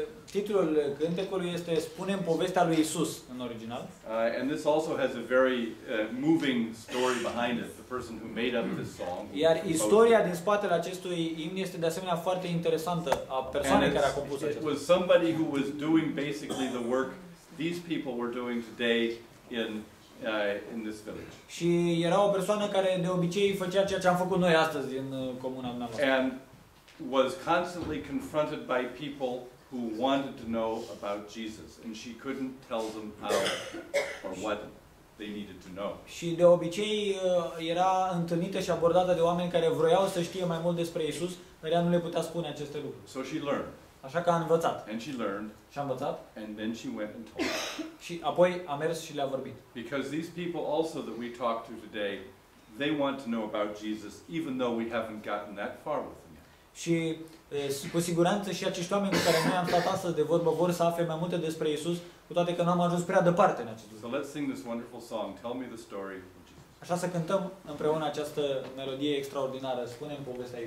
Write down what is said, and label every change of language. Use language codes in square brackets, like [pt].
[ro] Titlul cântecului este Spune-mi povestea lui Isus în original. [en] And this also has a very moving story behind it, the person who made up this song. [ro] Iar istoria din spatele acestui imn este de asemenea foarte interesantă a persoanei care a compus acest. [en] It was somebody who was doing basically the work these people were doing today in this village. [ro] Și era o persoană care de obicei făcea ceea ce am făcut noi astăzi în comuna noastră. [en] And was constantly confronted by people who wanted to know about Jesus, and she couldn't tell them how or what they needed to know. [ro] Și de obicei era întâlnită și abordată de oameni care vroiau să știe mai mult despre Isus, dar ea nu le putea spune aceste lucruri. [en] So she learned. [ro] Așa că a învățat. [en] And she learned. [ro] Și a învățat. [en] And then she went and told. [ro] Și apoi a mers și le-a vorbit. [en] Because these people also that we talked to today, they want to know about Jesus, even though we haven't gotten that far with them. [ro] Și cu siguranță și acești oameni cu care noi am stat astăzi de vorbă vor să afle mai multe despre Iisus, cu toate că nu am ajuns prea departe în acest lucru. [en] So let's sing this wonderful song, Tell Me the Story of Jesus. [ro] Așa să cântăm împreună această melodie extraordinară, Spune-mi povestea Iisus.